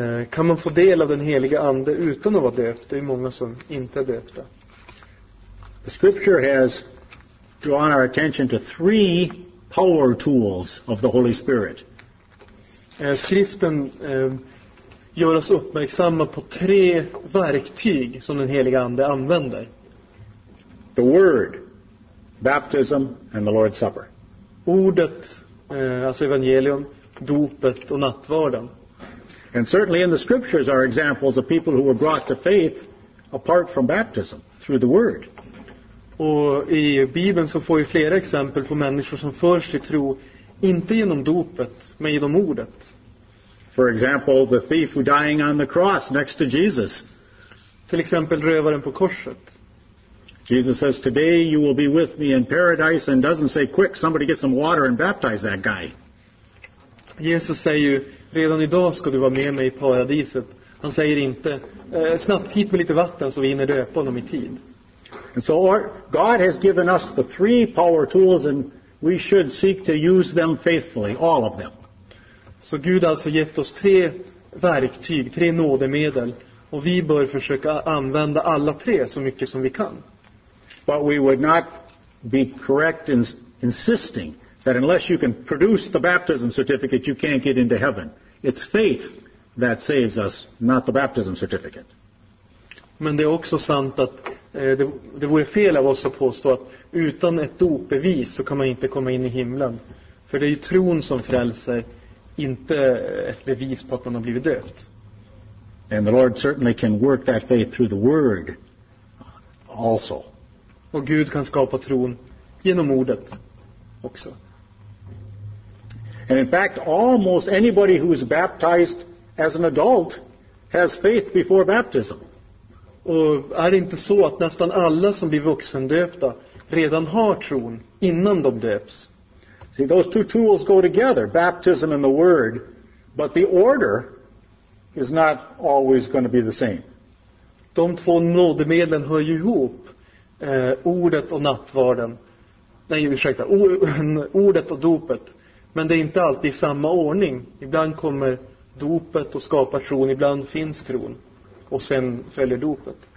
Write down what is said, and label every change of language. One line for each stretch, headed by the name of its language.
Swedish: Kan man få del av den heliga ande utan att vara döpt? Det är många som inte är döpta.
English: The scripture has drawn our attention to three power tools of the Holy Spirit.
Swedish: Skriften gör oss uppmärksamma på tre verktyg som den heliga ande använder.
English: The word, baptism and the Lord's Supper.
Swedish: Ordet, alltså evangelium, dopet och nattvarden.
English: And certainly in the scriptures are examples of people who were brought to faith apart from baptism through the word.
Swedish: Och i Bibeln så får vi flera exempel på människor som förs till tro inte genom dopet men genom ordet.
English: For example, the thief who dying on the cross next to Jesus.
Swedish: Till exempel rövaren på korset.
English: Jesus says, "Today you will be with me in paradise," and doesn't say, "Quick, somebody get some water and baptize that guy."
Swedish: Jesus säger ju, redan idag ska du vara med mig i paradiset. Han säger inte, snabbt hit med lite vatten så vi hinner döpa honom i tid.
English: And so God has given us the three power tools, and we should seek to use them faithfully, all of them.
Swedish: Så Gud har alltså gett oss tre verktyg, tre nådemedel, och vi bör försöka använda alla tre så mycket som vi kan.
English: But we would not be correct in insisting that unless you can produce the baptism certificate you can't get into heaven. It's faith that saves us, not the baptism certificate.
Swedish: Men det är också sant att det vore fel av oss att påstå att utan ett dopbevis så kan man inte komma in i himlen. För det är ju tron som frälser, inte ett bevis på att man har blivit döpt.
English: And the Lord certainly can work that faith through the word also.
Swedish: Och Gud kan skapa tron genom ordet också.
English: And in fact, almost anybody who is baptized as an adult has faith before baptism.
Swedish: Och är det inte så att nästan alla som blir vuxendöpta redan har tron innan de döps?
English: See, those two tools go together, baptism and the word, but the order is not always going to be the same.
Swedish: De två nådemedlen hör ju ihop, ordet och nattvarden. Nej, ursäkta, ordet och dopet. Men det är inte alltid i samma ordning. Ibland kommer dopet och skapar tron. Ibland finns tron. Och sen följer dopet.